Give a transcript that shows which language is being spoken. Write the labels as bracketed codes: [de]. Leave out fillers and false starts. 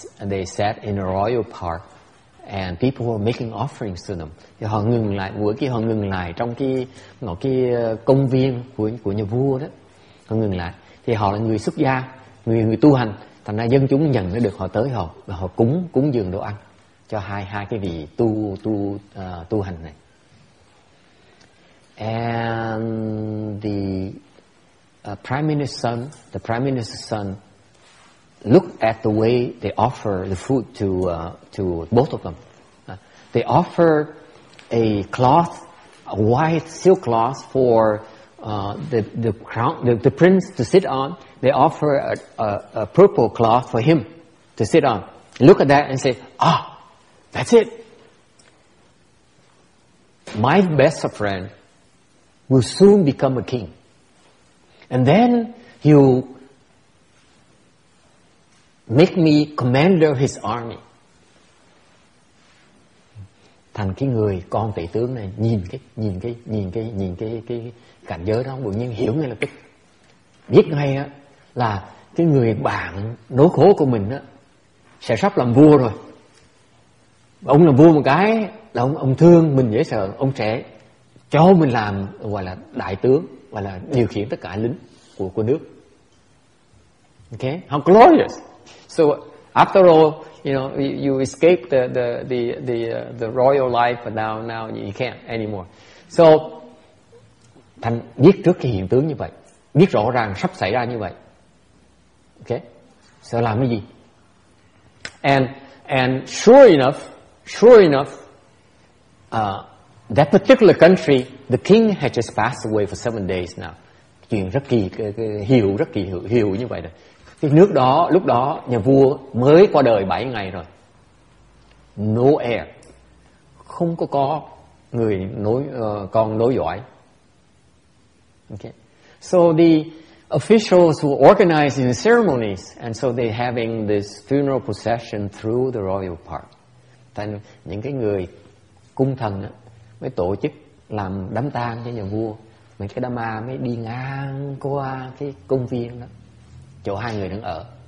[en] They sat in a royal park, and people were making offerings to them. [vi] Thì họ ngừng lại, bữa kia họ ngừng lại trong cái công viên của nhà vua đó. Họ ngừng lại. Thì họ là người xuất gia, người tu hành, thành ra dân chúng nhận được, họ tới họ và họ cúng dường đồ ăn cho hai cái vị tu hành này. [en] And the prime minister's son, the prime minister's son, looked at the way they offer the food to both of them. They offer a cloth, a white silk cloth for the crown, the prince to sit on. They offer a purple cloth for him to sit on. Look at that and say, ah, that's it. My best friend will soon become a king. And then he'll make me commander of his army. [vi] Thành cái người con tể tướng này nhìn cái cảnh giới đó, bỗng nhiên hiểu ngay lập tức, biết ngay á là cái người bạn nỗi khổ của mình á sẽ sắp làm vua rồi. Ông làm vua một cái là ông thương mình dễ sợ, ông sẽ cho mình làm gọi là đại tướng, gọi là điều khiển tất cả lính của nước. [en] Okay, how glorious. So after all, you know, you escaped the royal life, but now you can't anymore. [vi] So Thành biết trước cái hiện tướng như vậy, biết rõ ràng sắp xảy ra như vậy. Okay, so làm cái gì? [en] And sure enough, that particular country, the king had just passed away for 7 days now. [vi] Chuyện rất kỳ, hiểu như vậy rồi. Cái nước đó, lúc đó nhà vua mới qua đời 7 ngày rồi. [en] No heir. [vi] Không có người nối dõi. Okay. [en] So the officials were organizing the ceremonies, and so they having this funeral procession through the royal park. [vi] Thành những cái người cung thần á mới tổ chức làm đám tang cho nhà vua. Mấy cái đám ma mới đi ngang qua cái công viên đó, chỗ hai người đang ở.